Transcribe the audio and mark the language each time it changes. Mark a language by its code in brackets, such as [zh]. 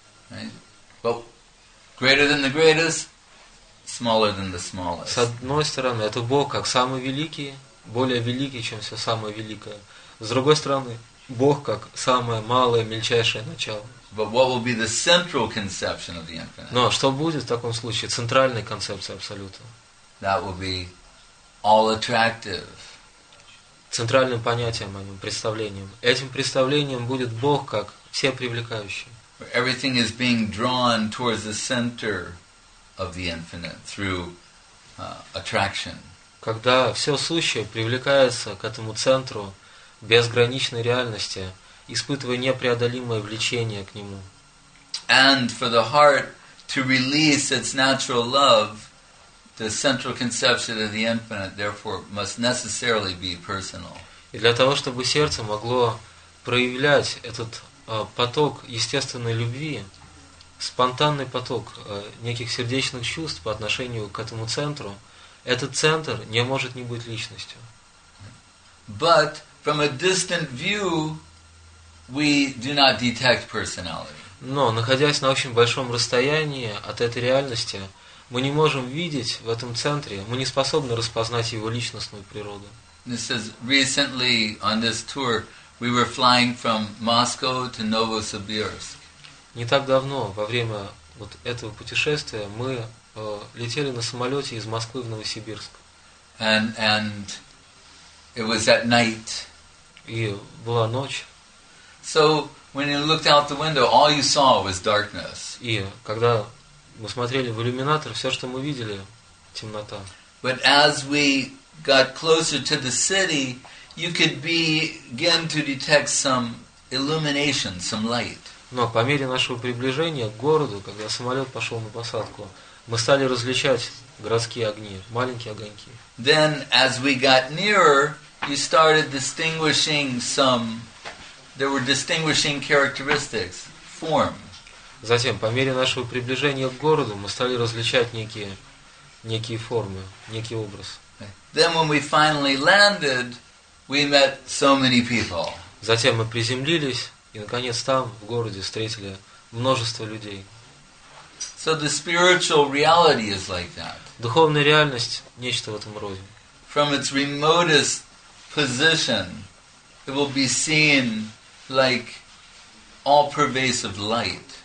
[en] Right. Well, greater than the greatest, smaller than the smallest. [ru] С одной стороны, это Бог как самый великий, более великий, чем все самое великое. С другой стороны, Бог как самое малое, мельчайшее начало. [en] But what will be the central conception of the infinite? [ru] Но что будет в таком случае центральной концепцией Абсолюта? [en] That will be all attractive. [ru] Центральным понятием о нем, представлением. Этим представлением будет Бог как всепривлекающий. [en] Where everything is being drawn towards the center of the infinite through attraction. [ru] Когда все сущее привлекается к этому центру безграничной реальности, испытывая непреодолимое влечение к нему. [en] And for the heart to release its natural love, the central conception of the infinite, therefore, must necessarily be personal. [ru] И для того, чтобы сердце могло проявлять этот поток естественной любви, спонтанный поток неких сердечных чувств по отношению к этому центру, этот центр не может не быть личностью. [en] But from a distant view, we do not detect personality. [ru] Но, находясь на очень большом расстоянии от этой реальности, мы не можем видеть в этом центре, мы не способны распознать его личностную природу. [en] This is recently on this tour, we were flying from Moscow to Novosibirsk. [ru] Не так давно, во время вот этого путешествия, мы летели на самолете из Москвы в Новосибирск. [en] And it was at night. [ru] И была ночь. [en] So when you looked out the window, all you saw was darkness. [ru] И когда мы смотрели в иллюминатор, все, что мы видели, темнота. [en] But as we got closer to the city, you could begin to detect some illumination, some light. [ru] Но по мере нашего приближения к городу, когда самолет пошел на посадку, мы стали различать городские огни, маленькие огоньки. [en] Then as we got nearer, you started distinguishing some, there were distinguishing characteristics, form. [ru] Затем, по мере нашего приближения к городу, мы стали различать некие формы, некий образ. [en] Then when we finally landed, we met so many people. [ru] Затем мы приземлились, и, наконец, там, в городе, встретили множество людей. [en] So the spiritual reality is like that. [ru] Духовная реальность – нечто в этом роде. [en] From its remotest position, it will be seen like all-pervasive light.